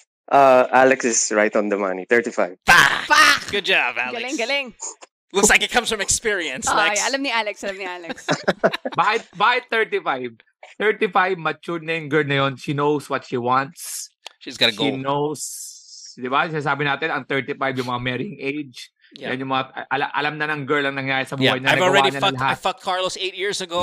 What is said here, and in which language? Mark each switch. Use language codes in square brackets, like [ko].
[en] Alex is right on the money. 35. Bah! Good job, Alex. [tl] Galing. [en] Looks like it comes from experience. [tl] Alam ni Alex. [en] By 35, mature [tl] na yung girl na yun. [en] She knows what she wants. She's got a goal. She knows, [tl] di ba? Sinasabi natin, ang 35 yung mga marrying age. Yeah. Yan yung mga, alam na ng girl ang nangyayari sa buhay niya. [en] I've already fucked Carlos 8 years ago.